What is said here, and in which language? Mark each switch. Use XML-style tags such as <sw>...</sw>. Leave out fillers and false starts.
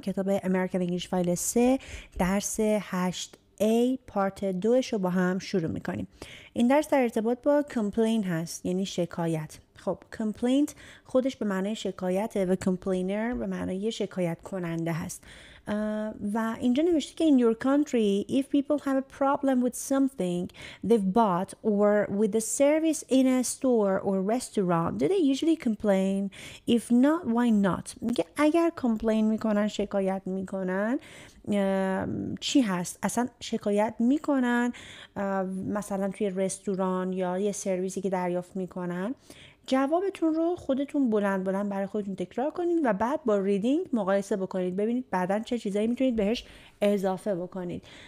<fa>کتاب امریکن انگلیش فایل 3 درس 8A پارت 2ش رو با هم شروع میکنیم. این درس در ارتباط با کمپلین هست، یعنی شکایت. خب کمپلینت خودش به معنی شکایته و کمپلینر به معنی شکایت کننده هست. و اینجا نوشته که</fa> <en>in your country if people have a problem with something they've bought or with the service in a store or restaurant do they usually complain? If not, why not?</en> <fa>اگر کمپلین میکنن، شکایت میکنن، چی هست؟ اصلا شکایت میکنن مثلا توی رستوران یا یه سرویسی که دریافت میکنن؟ جوابتون رو خودتون بلند بلند برای خودتون تکرار کنید و بعد با ریدینگ مقایسه بکنید، ببینید بعداً چه چیزایی میتونید بهش اضافه بکنید.</fa>